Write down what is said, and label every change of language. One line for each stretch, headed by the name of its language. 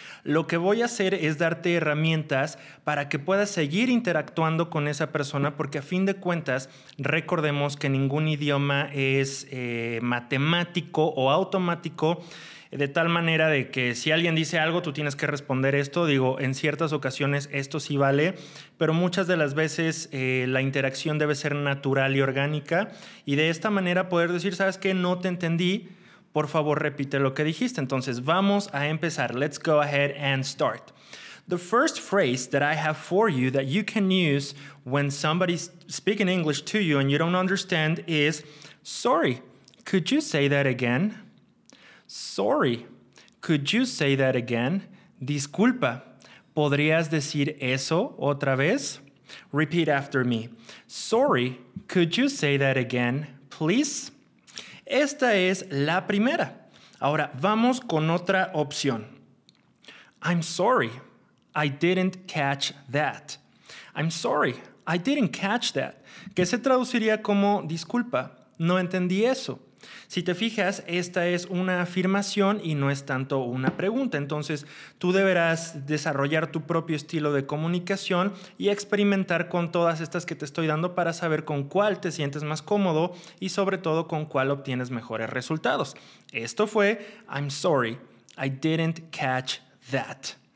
Spanish: Lo que voy a hacer es darte herramientas para que puedas seguir interactuando con esa persona, porque a fin de cuentas, recordemos que ningún idioma es matemático o automático, de tal manera de que si alguien dice algo, tú tienes que responder esto. Digo, en ciertas ocasiones esto sí vale, pero muchas de las veces la interacción debe ser natural y orgánica, y de esta manera poder decir, ¿sabes qué? No te entendí, por favor repite lo que dijiste. Entonces vamos a empezar.
English: Let's go ahead and start. The first phrase that I have for you that you can use when somebody's speaking English to you and you don't understand is, sorry, could you say that again? Sorry, could you say that again?
Spanish: Disculpa, ¿podrías decir eso otra vez?
English: Repeat after me. Sorry, could you say that again, please?
Spanish: Esta es la primera. Ahora, vamos con otra opción.
English: I'm sorry, I didn't catch that. I'm sorry, I didn't catch that.
Spanish: Que se traduciría como, disculpa, no entendí eso. Si te fijas, esta es una afirmación y no es tanto una pregunta. Entonces, tú deberás desarrollar tu propio estilo de comunicación y experimentar con todas estas que te estoy dando para saber con cuál te sientes más cómodo y sobre todo con cuál obtienes mejores resultados. Esto fue,
English: I'm sorry, I didn't catch that.